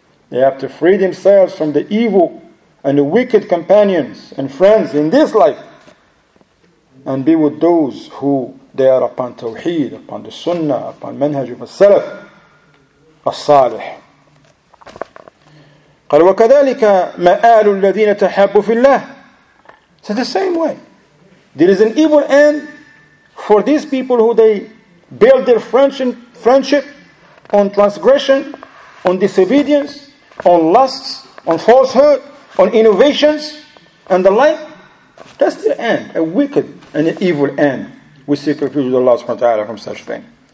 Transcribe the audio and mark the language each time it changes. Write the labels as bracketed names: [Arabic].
[English] They have to free themselves from the evil and the wicked companions and friends in this life and be with those who they are upon Tawheed, upon the Sunnah, upon Manhaj of As-Salaf, As-Salih. [Arabic] قال وكذلك مآل الذين تحابوا في الله. [English] So the same way. There is an evil end for these people who they build their friendship on transgression, on disobedience, on lusts, on falsehood, on innovations, and the like. That's their end, a wicked and an evil end. We seek refuge with Allah subhanahu wa ta'ala from such thing.